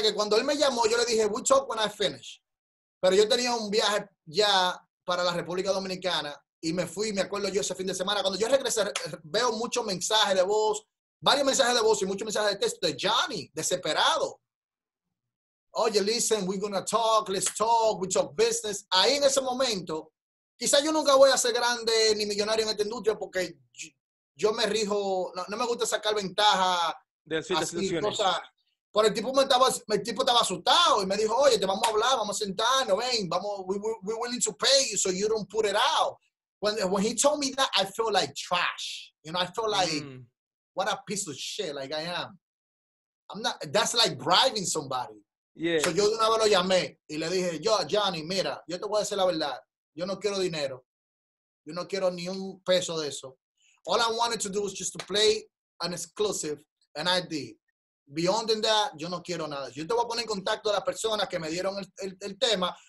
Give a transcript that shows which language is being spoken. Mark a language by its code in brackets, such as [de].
[es] Que cuando él me llamó, yo le dije, [en] we talk when I finish. [es] Pero yo tenía un viaje ya para la República Dominicana y me fui, me acuerdo yo ese fin de semana. Cuando yo regresé, veo muchos mensajes de voz, varios mensajes de voz y muchos mensajes de texto de Johnny, desesperado. [en] Oye, listen, we're gonna talk, let's talk, we talk business. [es] Ahí en ese momento, quizás yo nunca voy a ser grande ni millonario en esta industria porque yo me rijo, no me gusta sacar ventaja de situaciones. Pero el tipo estaba asustado y me dijo, oye, te vamos a hablar, vamos a sentarnos, ven, vamos, [en] we're willing to pay you so you don't put it out. When he told me that, I felt like trash. You know, I felt like, what a piece of shit, like I am. I'm not, that's like bribing somebody. Yeah. [es] So yo de una vez lo llamé y le dije, yo, Johnny, mira, yo te voy a decir la verdad. Yo no quiero dinero. Yo no quiero ni un peso de eso. [en] All I wanted to do was just to play an exclusive, and I did. Beyond that, [es] yo no quiero nada. Yo te voy a poner en contacto a las personas que me dieron el tema.